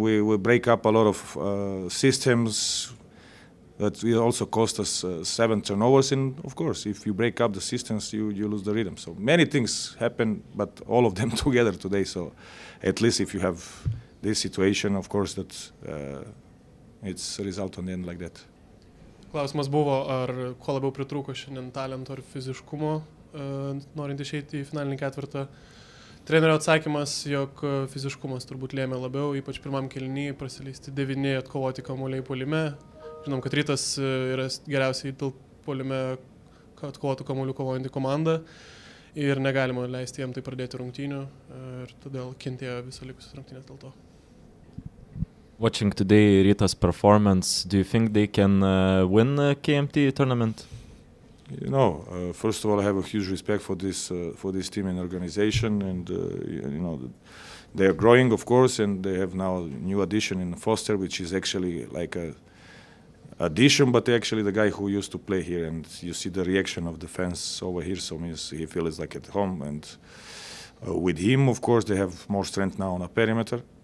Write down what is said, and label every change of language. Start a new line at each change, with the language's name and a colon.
English: We break up a lot of systems that we also cost us 7 turnovers. And of course, if you break up the systems, you lose the rhythm. So many things happen, but all of them together today. So at least if you have this situation, of course, that it's a result on the end like that.
Lithuanian: Klausimas buvo, ar kuo labiau pritrūko šiandien talento ar fiziškumo, norint išeiti į finalinį ketvirtą. Trenerio atsakymas, jog fiziškumas turbūt lėmė labiau, ypač pirmam kelinį prasileisti 9, atkovoti kamuoliai puolime. Žinom, kad Rytas yra geriausiai puolime atkovotų kamuolių kovojantį komandą ir negalima leisti jam tai pradėti rungtynių ir todėl kentėjo visą likusius rungtynės dėl to.
English: Watching today Rytas performance, do you think they can win KMT tournament? You know, first of all, I have a huge respect for this team and organization, and you know, they are growing, of course, and they have now a new addition in Foster, which is actually like a addition, but actually the guy who used to play here, and you see the reaction of the fans over here, so means he feels like at home, and with him, of course, they have more strength now on a perimeter.